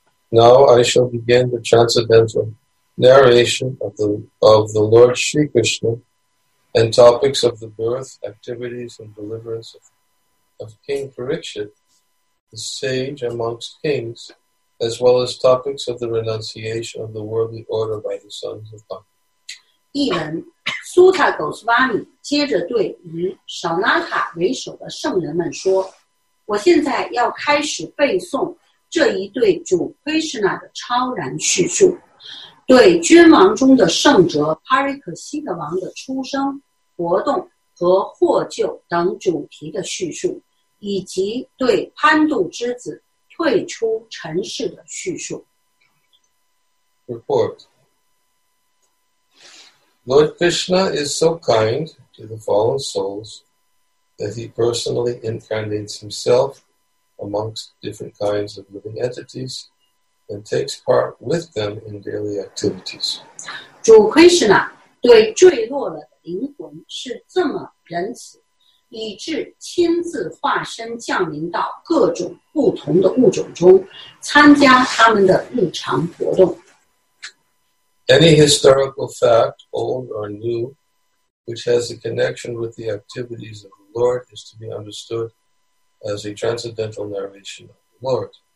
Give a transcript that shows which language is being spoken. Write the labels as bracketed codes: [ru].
[en] Now I shall begin the transcendental narration of the Lord Shri Krishna and topics of the birth, activities, and deliverance of King Parikshit, the sage amongst kings, as well as topics of the renunciation of the worldly order by the sons of Pandu. [zh] 苏塔 Gosvāmī 接着对以Sanatha为首的圣人们说，我现在要开始背诵这一对主 Krishna 的超然叙述，对君王中的圣者 Parikshita 王的出生、活动和获救等主题的叙述，以及对 Pandu 之子退出尘世的叙述。Report. [en] Lord Krishna is so kind to the fallen souls that he personally incarnates himself amongst different kinds of living entities and takes part with them in daily activities. [zh] 主 Krishna 对坠落了的灵魂是这么仁慈，以致亲自化身降临到各种不同的物种中，参加他们的日常活动。 [en] Any historical fact, old or new, which has a connection with the activities of the Lord is to be understood as a transcendental narration of the Lord.